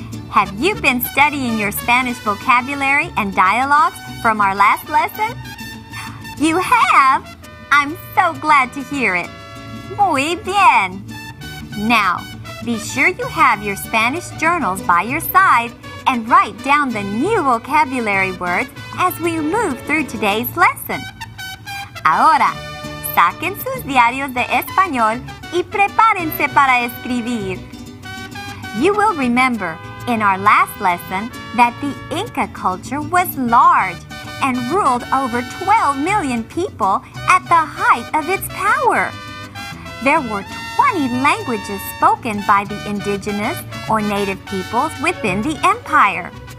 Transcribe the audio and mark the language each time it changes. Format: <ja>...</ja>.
<en>Have you been studying your Spanish vocabulary and dialogues from our last lesson? You have? I'm so glad to hear it.</en> <es>Muy bien.</es> <en>Now, be sure you have your Spanish journals by your side and write down the new vocabulary words as we move through today's lesson.</en> <es>Ahora, saquen sus diarios de español y prepárense para escribir.</es> <en>You will remember in our last lesson that the Inca culture was large and ruled over 12 million people at the height of its power. There were 20 languages spoken by the indigenous or native peoples within the empire.</en>